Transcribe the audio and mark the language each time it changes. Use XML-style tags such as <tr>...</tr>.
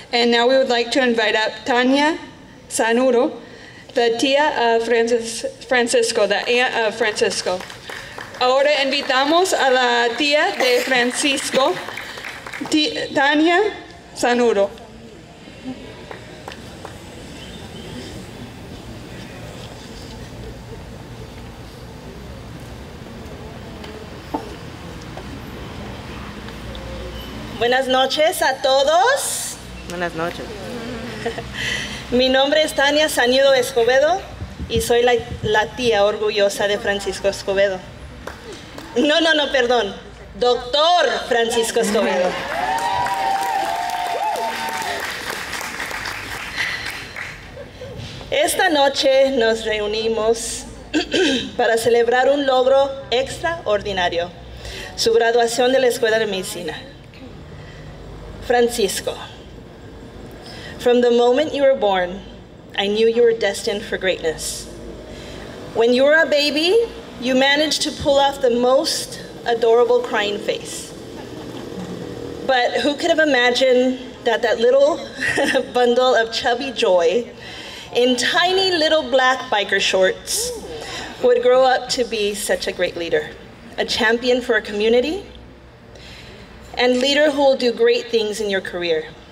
<en>And now we would like to invite up Tania Sanuro, the</en> <es>tía</es> <en>of Francisco, the aunt of Francisco.</en> <es>Ahora invitamos a la tía de Francisco, Tania Sanuro. Buenas noches a todos. Buenas noches. Mi nombre es Tania Sanuro Escobedo y soy la tía orgullosa de Francisco Escobedo. No, perdón. Doctor Francisco Escobedo. Esta noche nos reunimos para celebrar un logro extraordinario, su graduación de la Escuela de Medicina.</es> <en>Francisco, from the moment you were born, I knew you were destined for greatness. When you were a baby, you managed to pull off the most adorable crying face. But who could have imagined that that little bundle of chubby joy in tiny little black biker shorts would grow up to be such a great leader, a champion for a community, and leader who will do great things in your career.</en>